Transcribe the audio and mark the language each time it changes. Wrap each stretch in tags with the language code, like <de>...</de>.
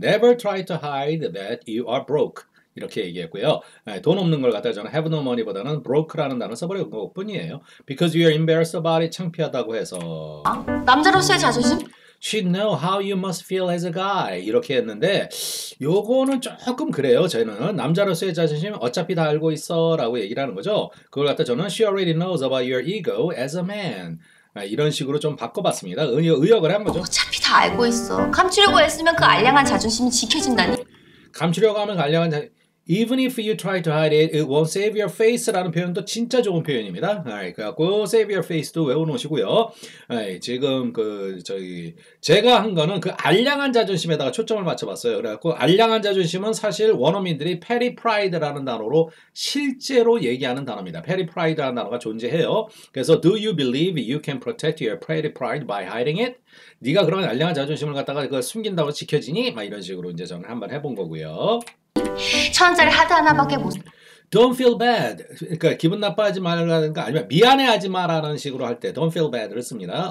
<en>Never try to hide that you are broke.</en> <ko>이렇게 얘기했고요. 네, 돈 없는 걸 갖다가 저는</ko> <en>have no money</en> <ko>보다는 broke라는 단어 써버린 것뿐이에요.</ko> <en>Because you are embarrassed about it.</en> <ko>창피하다고 해서. 아, 남자로서의 자존심?</ko> <en>She know how you must feel as a guy.</en> <ko>이렇게 했는데 요거는 조금 그래요. 저희는 남자로서의 자존심 어차피 다 알고 있어라고 얘기를 하는 거죠. 그걸 갖다 저는</ko> <en>she already knows about your ego as a man.</en> <ko>이런 식으로 좀 바꿔봤습니다. 의역을 한 거죠. 어차피 다 알고 있어. 감추려고 했으면 그 알량한 자존심이 지켜진다니? 감추려고 하면 간략한 자</ko> <en>even if you try to hide it, it won't save your face라는 표현도 진짜 좋은 표현입니다.</en> <ko>그래갖고</ko> <en>save your face</en> <ko>도 외워놓으시고요. 지금 그 저희 제가 한 거는 그 알량한 자존심에다가 초점을 맞춰봤어요. 그래갖고 알량한 자존심은 사실 원어민들이</ko> <en>petty pride</en> <ko>라는 단어로 실제로 얘기하는 단어입니다.</ko> <en>petty pride</en> <ko>라는 단어가 존재해요.</ko> <en>그래서 do you believe you can protect your petty pride by hiding it?</en> <ko>네가 그러면 알량한 자존심을 갖다가 그 숨긴다고 지켜지니? 막 이런 식으로 이제 저는 한번 해본 거고요. 천원짜리 하드 하나밖에 못.</ko> <en>Don't feel bad.</en> <ko>그러니까 기분 나빠하지 말라는 거 아니면 미안해하지 마라는 식으로 할때</ko> <en>Don't feel bad</en> <ko>를 씁니다.</ko>